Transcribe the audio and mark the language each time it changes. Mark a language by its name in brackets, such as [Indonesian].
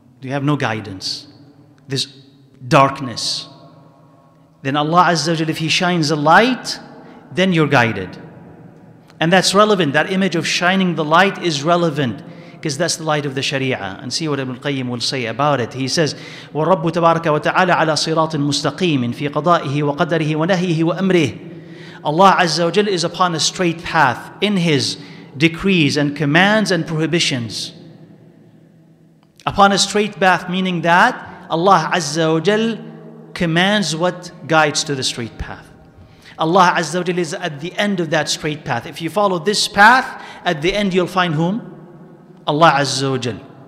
[English] You have no guidance. This darkness. Then Allah Azza wa Jal, if He shines a light, then you're guided. And that's relevant. That image of shining the light is relevant, because that's the light of the Sharia. And see what Ibn Qayyim will say about it. He says, [Arabic] وَرَبُّ تَبَارَكَ وَتَعَالَى عَلَىٰ صِرَاطٍ مُسْتَقِيمٍ فِي قَضَائِهِ وَقَدَرِهِ وَنَهِيهِ وَأَمْرِهِ. [English] Allah Azza wa Jal is upon a straight path in His decrees and commands and prohibitions. Upon a straight path, meaning that Allah Azza wa Jal commands what guides to the straight path. Allah Azza wa Jal is at the end of that straight path. If you follow this path, at the end you'll find whom? Allah Azza wa Jal.